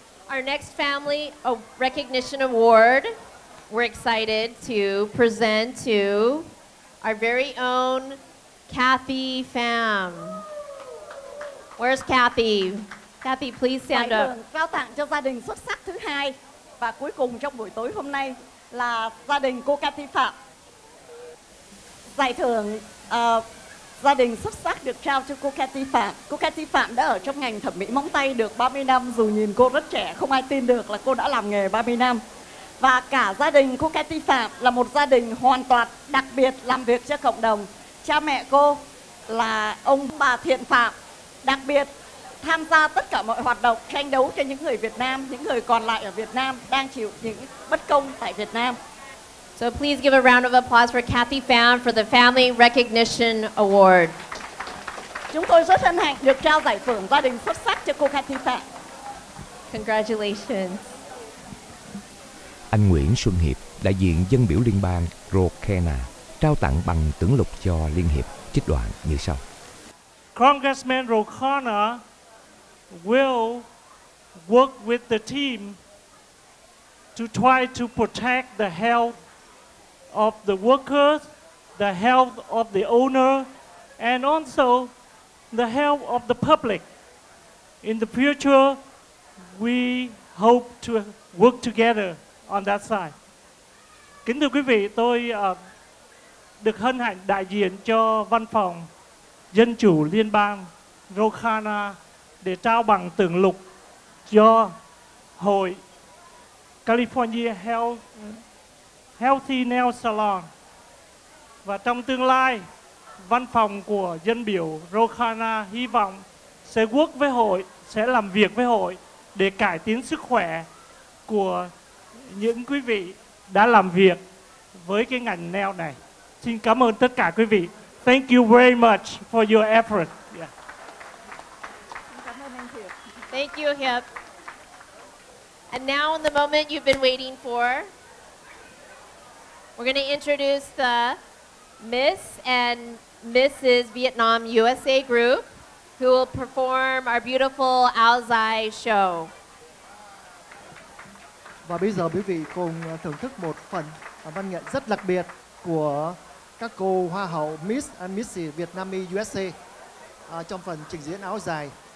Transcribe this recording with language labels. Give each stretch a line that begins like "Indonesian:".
English: Our next Family Recognition Award, we're excited to present to our very own Kathy Pham. Where's Kathy? Kathy, please stand up.
Vietnamese: Trao tặng cho gia đình xuất sắc thứ hai và cuối cùng trong buổi tối hôm nay là gia đình cô Kathy Pham. Giải thưởng gia đình xuất sắc được trao cho cô Kathy Pham. Cô Kathy Pham đã ở trong ngành thẩm mỹ móng tay được 30 năm, dù nhìn cô rất trẻ, không ai tin được là cô đã làm nghề 30 năm. Và cả gia đình cô Kathy Pham là một gia đình hoàn toàn đặc biệt làm việc cho cộng đồng. Cha mẹ cô là ông bà Thiện Pham, đặc biệt tham gia tất cả mọi hoạt động tranh đấu cho những người Việt Nam, những người còn lại ở Việt Nam đang chịu những bất công tại Việt Nam.
English: So please give a round of applause for Kathy Pham for the Family Recognition Award.
Vietnamese: Chúng tôi rất hân hạnh được trao giải thưởng gia đình xuất sắc cho cô Kathy Pham.
English: Congratulations.
Vietnamese: Anh Nguyễn Xuân Hiệp, đại diện dân biểu liên bang Rokena, trao tặng bằng tưởng lục cho Liên Hiệp, trích đoạn như sau.
English: Congressman Rokena will work with the team to try to protect the health of the workers, the health of the owner, and also the health of the public. In the future, we hope to work together on that side.
Vietnamese: Kính thưa quý vị, tôi được hân hạnh đại diện cho Văn phòng Dân chủ Liên bang Rokana để trao bằng tưởng lục cho Hội California Healthy Nail Salon. Và trong tương lai, văn phòng của dân biểu Rokana hy vọng sẽ work với hội, sẽ làm việc với hội để cải tiến sức khỏe của những quý vị đã làm việc với cái ngành nail này. Xin cảm ơn tất cả quý vị.
English: Thank you very much for your effort. Thank you, Hip. And now in the moment you've been waiting for, we're going to introduce the Miss and Mrs. Vietnam USA group who will perform our beautiful Ao Dai show.
Vietnamese: Và bây giờ quý vị cùng thưởng thức một phần văn nghệ rất đặc biệt của các cô hoa hậu Miss and Mrs. Vietnam USA trong phần trình diễn Ao Dai.